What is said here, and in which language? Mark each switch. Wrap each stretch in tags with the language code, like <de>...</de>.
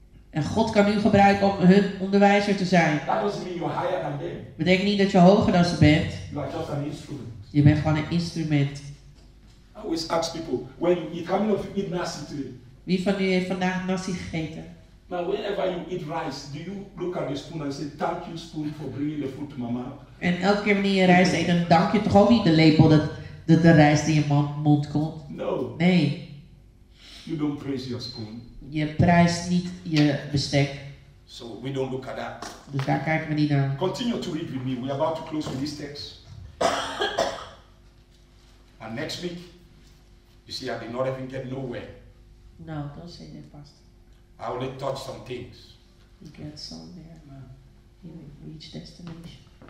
<nl>En God kan u gebruiken om hun onderwijzer te zijn.</nl> <en>That doesn't mean you're higher than them.</en> <nl>Betekent niet dat je hoger dan ze bent.</nl> <en>You are just an instrument.</en> <nl>Je bent gewoon een instrument.</nl> <en>I always ask people, when you eat, how many of you eat nasi today?</en> <nl>Wie van u heeft vandaag nasi gegeten?</nl> <en>Now whenever you eat rice, do you look at the spoon and say, thank you spoon for bringing the food to my mouth?</en> <nl>En elke keer wanneer je rijst eet, dan dank je toch ook niet de lepel dat de rijst in je mond komt?</nl> <en>No.</en> <nl>Nee.</nl> <en>You don't praise your spoon.</en> <nl>Je prijst niet je bestek.</nl> <en>So we don't look at that.</en> <nl>Dus daar kijken we niet naar.</nl> <en>Continue to read with me. We are about to close with this text. And next week, you see, I did not even get nowhere. No, don't say that, Pastor. I only touch some things. You get somewhere. Yeah. You reach destination.</en>